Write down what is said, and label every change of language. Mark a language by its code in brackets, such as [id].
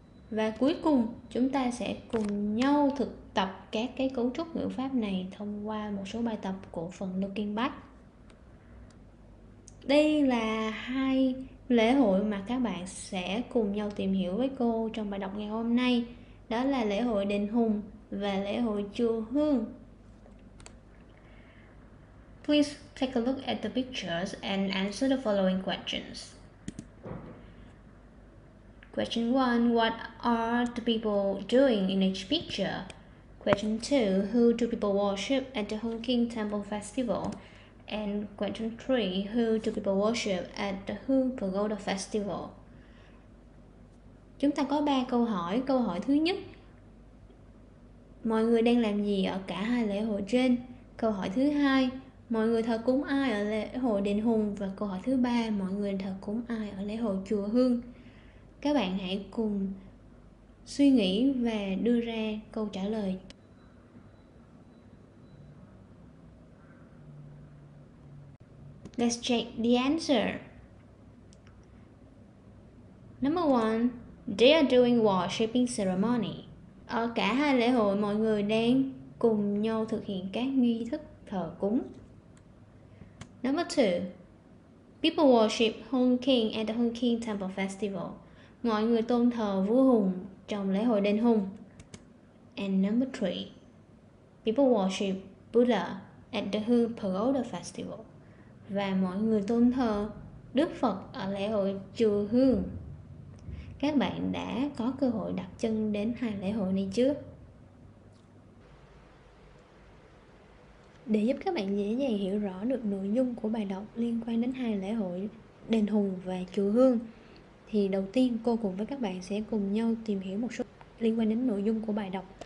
[vi] Và cuối cùng, chúng ta sẽ cùng nhau thực tập các cái cấu trúc ngữ pháp này thông qua một số bài tập của phần Looking Back. Đây là hai lễ hội mà các bạn sẽ cùng nhau tìm hiểu với cô trong bài đọc ngày hôm nay. Đó là lễ hội Đền Hùng và lễ hội Chùa Hương. [en] Please take a look at the pictures and answer the following questions. Question 1. What are the people doing in each picture? Question 2. Who do people worship at the Hong King Temple Festival? And question 3, who do people worship at the Hương Pagoda Festival? [vi] Chúng ta có 3 câu hỏi. Câu hỏi thứ nhất, mọi người đang làm gì ở cả hai lễ hội trên? Câu hỏi thứ hai, mọi người thờ cúng ai ở lễ hội Đền Hùng? Và câu hỏi thứ ba, mọi người thờ cúng ai ở lễ hội Chùa Hương? Các bạn hãy cùng suy nghĩ và đưa ra câu trả lời. [en] Let's check the answer. Number one, they are doing worshiping ceremony. [vi] Ở cả hai lễ hội, mọi người đang cùng nhau thực hiện các nghi thức thờ cúng. [en] Number two, people worship Hung King at the Hung King Temple Festival. [vi] Mọi người tôn thờ vua Hùng trong lễ hội Đền Hùng. [en] And number three, people worship Buddha at the Hung Pagoda Festival. [vi] Và mọi người tôn thờ Đức Phật ở lễ hội Chùa Hương. Các bạn đã có cơ hội đặt chân đến hai lễ hội này chưa? Để giúp các bạn dễ dàng hiểu rõ được nội dung của bài đọc liên quan đến hai lễ hội Đền Hùng và Chùa Hương, thì đầu tiên cô cùng với các bạn sẽ cùng nhau tìm hiểu một số liên quan đến nội dung của bài đọc.